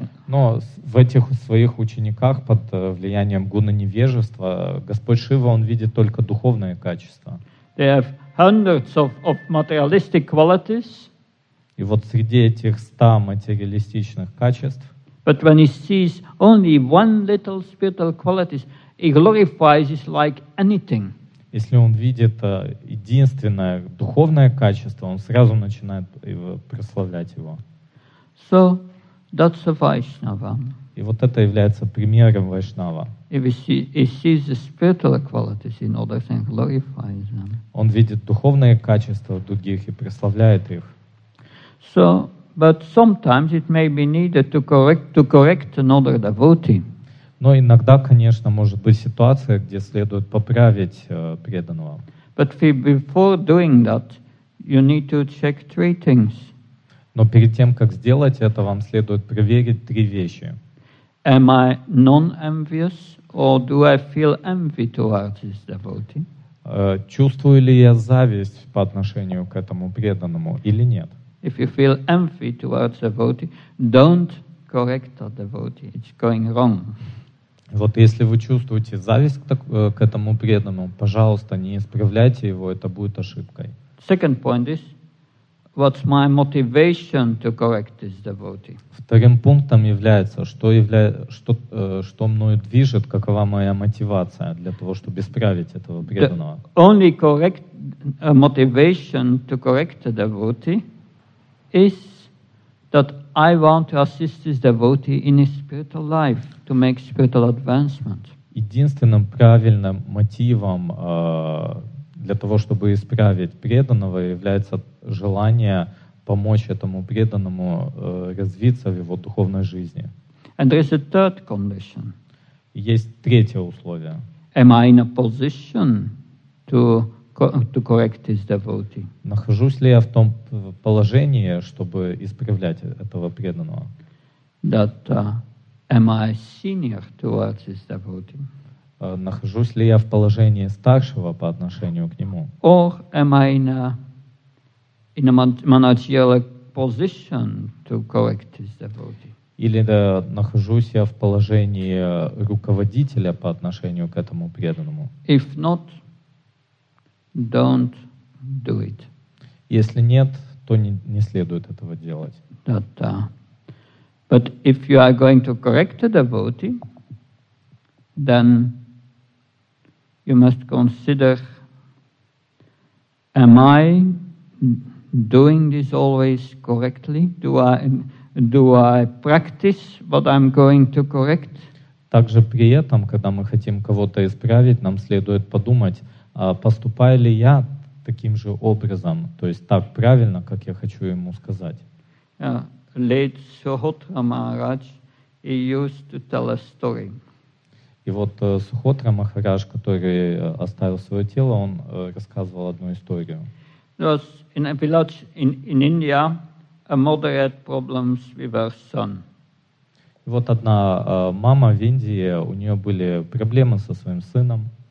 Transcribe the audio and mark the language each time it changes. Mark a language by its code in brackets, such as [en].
[ru] Но в этих своих учениках под влиянием гуны невежества Господь Шива, он видит только духовные качества. [en] They have hundreds of materialistic qualities. [ru] И вот среди этих 100 материалистичных качеств. [en] But when he sees only one little spiritual qualities, he glorifies it like anything. [ru] Если он видит единственное духовное качество, он сразу начинает его прославлять его. [en] So that's a Vaishnava. [ru] И вот это является примером Вайшнава. Он видит духовные качества других и прославляет их. [en] So, but sometimes it may be needed to correct another devotee. [ru] Но иногда, конечно, может быть ситуация, где следует поправить преданного. [en] But before doing that, you need to check three things. [ru] Но перед тем, как сделать это, вам следует проверить три вещи. [en] Am I non-envious or do I feel envy towards this devotee? [ru] Чувствую ли я зависть по отношению к этому преданному или нет? [en] If you feel envy towards a devotee, don't correct a devotee. It's going wrong. [ru] Вот если вы чувствуете зависть к этому преданному, пожалуйста, не исправляйте его, это будет ошибкой. [en] Second point is, what's my motivation to correct this devotee? [ru] Вторым пунктом является, что мною движет, какова моя мотивация для того, чтобы исправить этого преданного. [en] The only correct motivation to correct a devotee is that I want to assist this devotee in his spiritual life to make spiritual advancement. [ru] Единственным правильным мотивом для того, чтобы исправить преданного, является желание помочь этому преданному развиться в его духовной жизни. [en] And there is a third condition. [ru] Есть третье условие. [en] Am I in a position to correct this devotee? [ru] Нахожусь ли я в том положении, чтобы исправлять этого преданного? [en] That am I senior towards this devotee? [ru] Нахожусь ли я в положении старшего по отношению к нему? [en] Or am I in a managerial position to correct this devotee? [ru] Или нахожусь я в положении руководителя по отношению к этому преданному? [en] If not, don't do it. [ru] Если нет, то не следует этого делать. [en] That, but if you are going to correct a devotee, then you must consider, am I doing this always correctly? Do I practice what I'm going to correct? [ru] Также при этом, когда мы хотим кого-то исправить, нам следует подумать, поступаю ли я таким же образом, то есть так правильно, как я хочу ему сказать. [en] Late Suhotra Maharaj, he used to tell a story. [ru] И вот Сухотра Махарадж, который оставил свое тело, он рассказывал одну историю. [en] There was in a village in India a mother had problems with her son. [ru] И вот одна мама в Индии, у нее были проблемы со своим сыном.